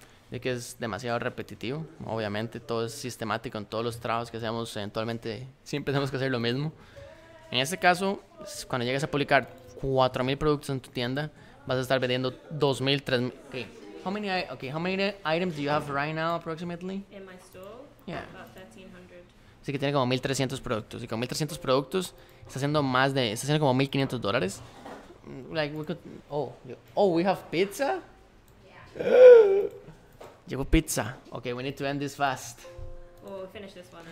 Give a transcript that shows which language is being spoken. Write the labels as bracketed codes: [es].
[es] Sé que es demasiado repetitivo, obviamente todo es sistemático en todos los trabajos que hacemos, eventualmente siempre tenemos que hacer lo mismo. En este caso, cuando llegues a publicar 4,000 productos en tu tienda, vas a estar vendiendo 2,000, 3,000. [en] Okay. How many items do you have right now approximately? In my store, yeah. About 1,300. [es] Así que tiene como 1,300 productos, y con 1,300 productos está haciendo como $1,500. [en] Like we could, we have pizza? Yeah. [es] Llevo pizza. [en] Okay, we need to end this fast. Oh, we'll finish this one.